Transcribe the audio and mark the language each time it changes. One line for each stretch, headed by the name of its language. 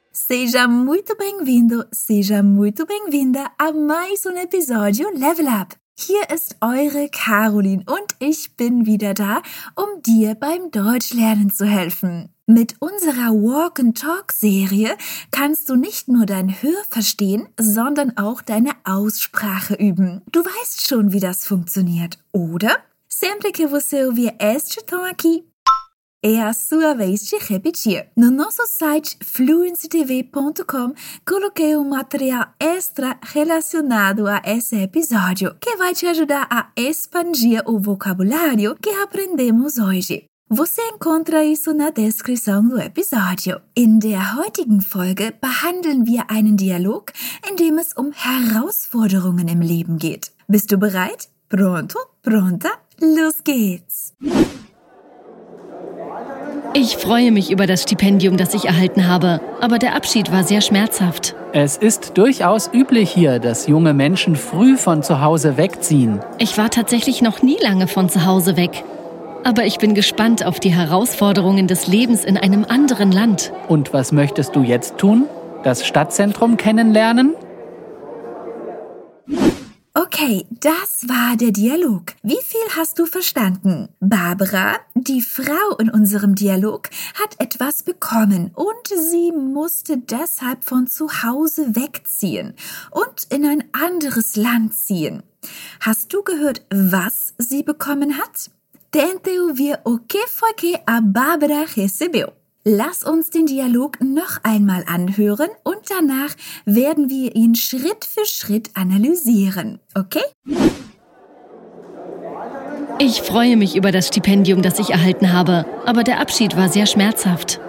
Portuguese: Seja muito bem-vindo, seja muito bem-vinda a mais um episódio Level Up.
German: Hier ist eure Caroline und ich bin wieder da, um dir beim Deutschlernen zu helfen. Mit unserer Walk-and-Talk-Serie kannst du nicht nur dein Hörverstehen, sondern auch deine Aussprache üben. Du weißt schon, wie das funktioniert, oder?
Portuguese: Sempre que você ouvir este tom aqui, é a sua vez de repetir. No nosso site fluencytv.com coloquei um material extra relacionado a esse episódio que vai te ajudar a expandir o vocabulário que aprendemos hoje. Você encontra isso na Descrição do Episódio.
German: In der heutigen Folge behandeln wir einen Dialog, in dem es um Herausforderungen im Leben geht. Bist du bereit?
Portuguese: Pronto? Pronta?
German: Los geht's! Ich freue mich über das Stipendium, das ich erhalten habe, aber der Abschied war sehr schmerzhaft. Es ist durchaus üblich hier, dass junge Menschen früh von zu Hause wegziehen. Ich war tatsächlich noch nie lange von zu Hause weg. Aber ich bin gespannt auf die Herausforderungen des Lebens in einem anderen Land. Und was möchtest du jetzt tun? Das Stadtzentrum kennenlernen? Okay, das war der Dialog. Wie viel hast du verstanden? Barbara, die Frau in unserem Dialog, hat etwas bekommen und sie musste deshalb von zu Hause wegziehen und in ein anderes Land ziehen. Hast du gehört, was sie bekommen hat?
Portuguese: Tente ouvir o que foi que a Barbara recebeu.
German: Lass uns den Dialog noch einmal anhören und danach werden wir ihn Schritt für Schritt analysieren, okay? Ich freue mich über das Stipendium, das ich erhalten habe, aber der Abschied war sehr schmerzhaft.